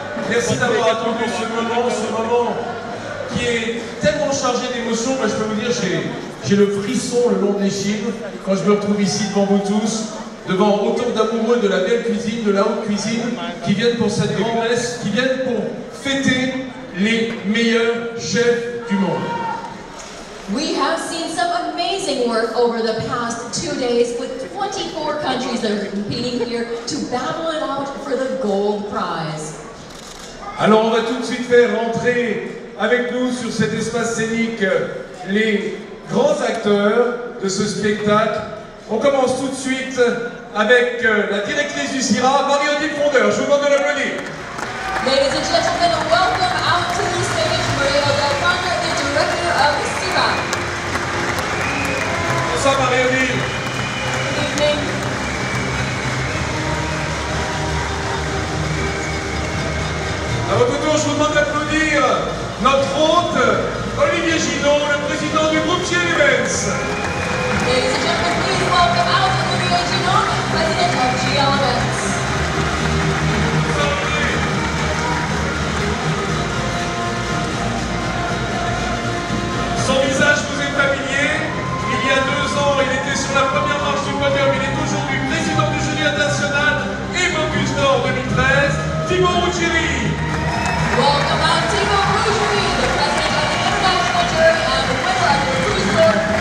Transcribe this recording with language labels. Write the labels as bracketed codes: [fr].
[fr] Merci d'avoir attendu ce moment qui est tellement chargé d'émotions. Moi, je peux vous dire, j'ai le frisson le long des chines quand je me retrouve ici devant vous tous. Devant autant d'amoureux de la belle cuisine, de la haute cuisine, qui viennent pour cette grande messe, qui viennent pour fêter les meilleurs chefs du monde. [en] We have seen some amazing work over the past 2 days with 24 countries that are competing here to battle it out for the gold prize. [fr] Alors on va tout de suite faire rentrer avec nous sur cet espace scénique les grands acteurs de ce spectacle. On commence tout de suite avec la directrice du CIRA, Marie-Odile Fondeur. Je vous demande de l'applaudir. [en] Ladies and gentlemen, welcome out to the stage, Marie-Odile Fondeur, the director of the CIRA. [fr] Bonsoir, Marie-Odile. [en] Good evening. [fr] À votre tour, je vous demande d'applaudir notre hôte, Olivier Gidon, le président du groupe Chez Events. [en] Ladies and gentlemen, please welcome out to the Gidon, president of GLMS. [fr] Son visage vous est familier. Il y a 2 ans, il était sur la première marche du podium. Il est aujourd'hui président du jury international et Bocuse d'Or 2013, Thibaut Ruggieri. [en] Welcome out, Thibaut Ruggieri, the president of the international jury and the winner of the Bocuse d'Or.